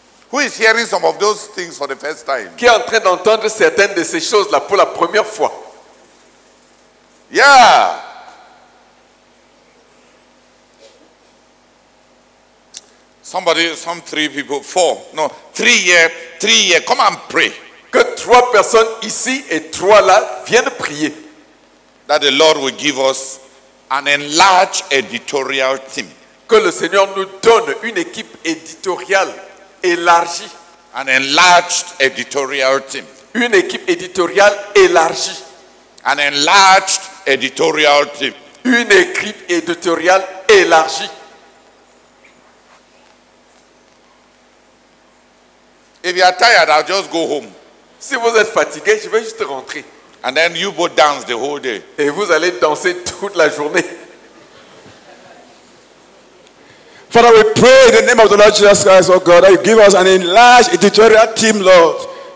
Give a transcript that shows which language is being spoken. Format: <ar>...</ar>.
<en>Who is hearing some of those things for the first time?</en> <fr>Qui est en train d'entendre certaines de ces choses là pour la première fois?</fr> <en>Yeah. Somebody, some three people, four. No, three here. Come and pray.</en> <fr>Que trois personnes ici et trois là viennent prier.</fr> <en>That the Lord will give us an enlarged editorial team.</en> <fr>Que le Seigneur nous donne une équipe éditoriale. Élargie.</fr> <en>An enlarged editorial team.</en> <fr>Une équipe éditoriale élargie.</fr> <en>An enlarged editorial team.</en> <fr>Une équipe éditoriale élargie.</fr> <en>If you are tired, I'll just go home.</en> <fr>Si vous êtes fatigué, je vais juste rentrer.</fr> <en>And then you both dance the whole day.</en> <fr>Et vous allez danser toute la journée.</fr> <en>Father, we pray in the name of the Lord Jesus Christ, oh God, that you give us an enlarged editorial team, Lord.</en>